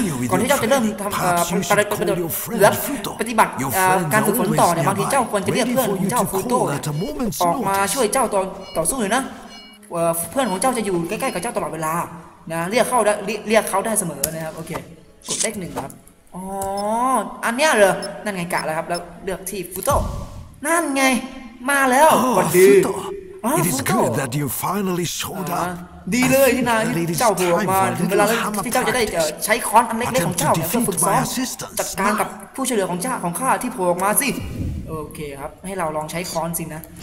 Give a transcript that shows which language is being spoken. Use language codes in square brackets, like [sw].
[th] ก่อนที่เจ้าจะเริ่มทำปฏิบัติการฝึกฝนต่อเนี่ยบางทีเจ้าควรจะเรียกเพื่อนของเจ้าฟูโต้ออกมาช่วยเจ้าต่อสู้หน่อยนะเพื่อนของเจ้าจะอยู่ใกล้ๆกับเจ้าตลอดเวลานะเรียกเข้าได้เรียกเขาได้เสมอนะครับโอเคกดเลขหนึ่งครับอ๋ออันเนี้ยเหรอนั่นไงกะแล้วครับแล้วเลือกที่ฟูโต้นั่นไงมาแล้ว สวัสดี [en] It is good that you finally showed up. [th] ดีเลยที่นายเจ้าผัวมาเวลาที่เจ้าจะได้ใช้ค้อนอันเล็กๆของเจ้าเพื่อฝึกซ้อมจัดการกับผู้เฉลยของเจ้าของข้าที่ผัวมาสิโอเคครับให้เราลองใช้ค้อนสินะ